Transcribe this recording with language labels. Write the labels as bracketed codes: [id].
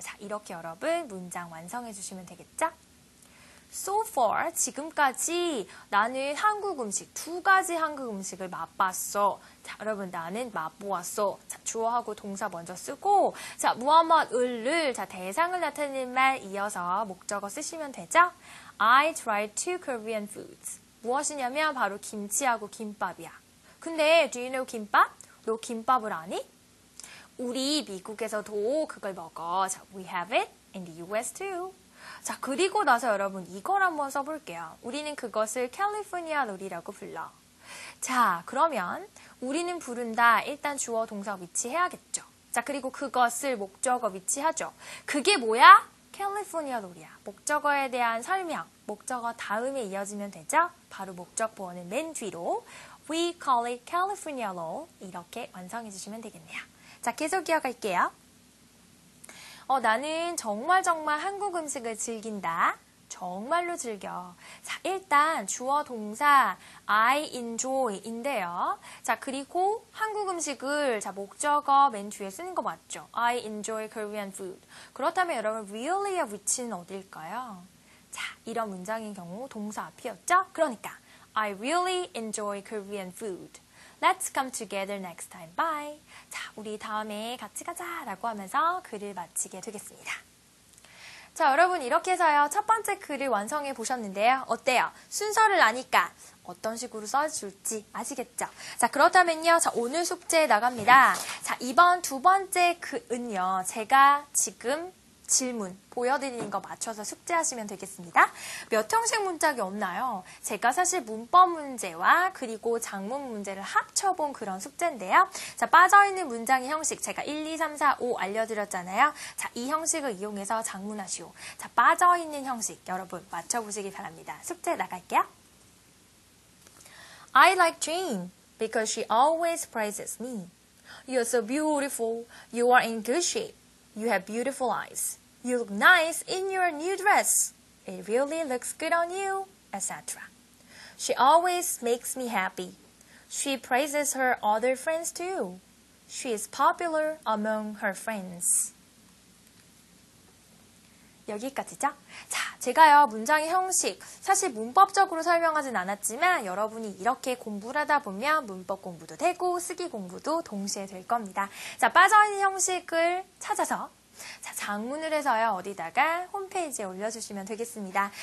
[ko] 자, 이렇게 여러분 문장 완성해 주시면 되겠죠? [en] So far, [ko] 지금까지 나는 한국 음식, 두 가지 한국 음식을 맛봤어. 자, 여러분, 나는 맛보았어. 자, 주어하고 동사 먼저 쓰고, 자, 무엇무엇을, 자, 대상을 나타내는 말 이어서 목적어 쓰시면 되죠? [en] I tried two Korean foods. [ko] 무엇이냐면 바로 김치하고 김밥이야. [en] 근데, do you know 김밥? [ko] 너 김밥을 아니? 우리 미국에서도 그걸 먹어. [en] 자, we have it in the US too. [ko] 자, 그리고 나서 여러분 이걸 한번 써볼게요. 우리는 그것을 캘리포니아 놀이라고 불러. 자, 그러면 우리는 부른다. 일단 주어 동사 위치해야겠죠. 자, 그리고 그것을 목적어 위치하죠. 그게 뭐야? 캘리포니아 놀이야. 목적어에 대한 설명. 목적어 다음에 이어지면 되죠. 바로 목적 부호는 맨 뒤로 [en] We call it California law. [ko] 이렇게 완성해 주시면 되겠네요. 자, 계속 이어갈게요. 나는 정말 정말 한국 음식을 즐긴다. 정말로 즐겨. 자, 일단 주어 동사 [en] I enjoy [ko] 인데요. 자, 그리고 한국 음식을 자 목적어 맨 뒤에 쓰는 거 맞죠? [en] I enjoy Korean food. [ko] 그렇다면 여러분 really의 위치는 어딜까요? 자, 이런 문장인 경우 동사 앞이었죠? [en] 그러니까 I really enjoy Korean food. Let's come together next time. Bye. [ko] 자, 우리 다음에 같이 가자 라고 하면서 글을 마치게 되겠습니다. 자, 여러분 이렇게 해서요. 첫 번째 글을 완성해 보셨는데요. 어때요? 순서를 아니까 어떤 식으로 써줄지 아시겠죠? 자, 그렇다면요. 자, 오늘 숙제에 나갑니다. 자, 이번 두 번째 글은요. 제가 지금 질문 보여드리는 거 맞춰서 숙제하시면 되겠습니다. 몇 형식 문장이 없나요? 제가 사실 문법 문제와 그리고 작문 문제를 합쳐본 그런 숙제인데요. 자, 빠져있는 문장의 형식 제가 1, 2, 3, 4, 5 알려드렸잖아요. 자, 이 형식을 이용해서 작문하시오. 자, 빠져있는 형식 여러분 맞춰보시기 바랍니다. 숙제 나갈게요. [en] I like Jane because she always praises me. You're so beautiful. You are in good shape. You have beautiful eyes. You look nice in your new dress. It really looks good on you, etc. She always makes me happy. She praises her other friends too. She is popular among her friends. [ko] 여기까지죠? 자, 제가요 문장의 형식 사실 문법적으로 설명하진 않았지만 여러분이 이렇게 공부를 하다 보면 문법 공부도 되고 쓰기 공부도 동시에 될 겁니다. 자, 빠져있는 형식을 찾아서 자, 장문을 해서요 어디다가 홈페이지에 올려주시면 되겠습니다.